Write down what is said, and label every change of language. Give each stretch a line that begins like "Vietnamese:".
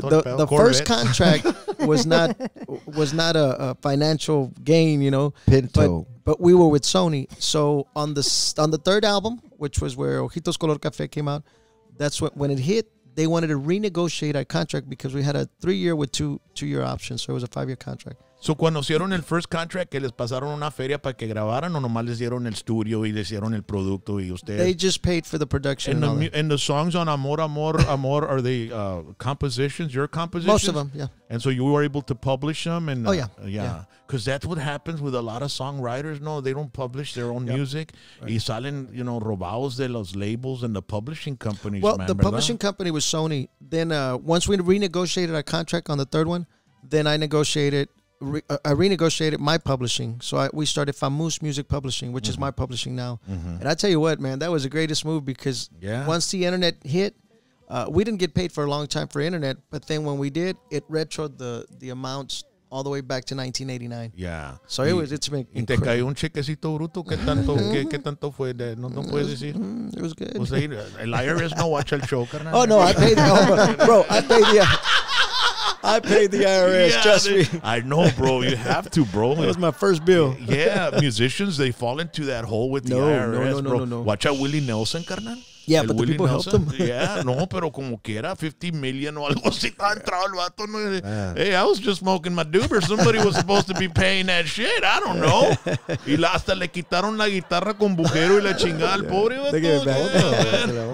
English: No, the first contract was not a financial gain, you know, Pinto. But we were with Sony, so on the third album, which was where Ojitos Color Café came out, that's when it hit. They wanted to renegotiate our contract because we had a 3-year with two-year options, so it was a 5-year contract.
Spanish: So cuando hicieron el
English: first contract,
Spanish: que les pasaron una feria para que grabaran, o nomás les dieron el estudio y les dieron el producto y ustedes.
English: They just paid for the production. And the songs on Amor, Amor, Amor, are they compositions? Your compositions? Most of them, yeah. And so you were able to publish them, and yeah. Because that's what happens with a lot of songwriters. No, they don't publish their own music. Right.
Spanish: Y salen,
English: you know,
Spanish: robados de los labels
English: and the publishing companies. Well, man, the
Spanish: ¿verdad?
English: Publishing company was Sony. Then once we renegotiated our contract on the third one, then I renegotiated my publishing. So we started Famous Music Publishing, which is my publishing now. Mm-hmm. And I tell you what, man, that was the greatest move because once the internet hit, we didn't get paid for a long time for internet. But then when we did, it retroed the amounts all the way back to 1989. Yeah. So it's been
Spanish: incredible. ¿Y te cayó un chequecito bruto? ¿Qué tanto fue? De, ¿No puedes decir?
English: It was good.
Spanish: O sea, el IRS no watch el show, carnal.
English: Oh, no, I paid the IRS. Bro, I paid the IRS, yeah, trust me. I know, bro. You have to, bro. It was my first bill. Yeah, musicians, they fall into that hole with the IRS, No, no, no, no. Watch out Willie Nelson, carnal. Yeah, but Willie the people Nelson? Helped him.
Spanish: Yeah, no, pero como quiera, 50 million o algo así, está entrado el vato.
English: Hey, I was just smoking my duber. Somebody was supposed to be paying that shit. I don't know.
Spanish: Y hasta le quitaron la guitarra con bujero y la chingada al pobre vato.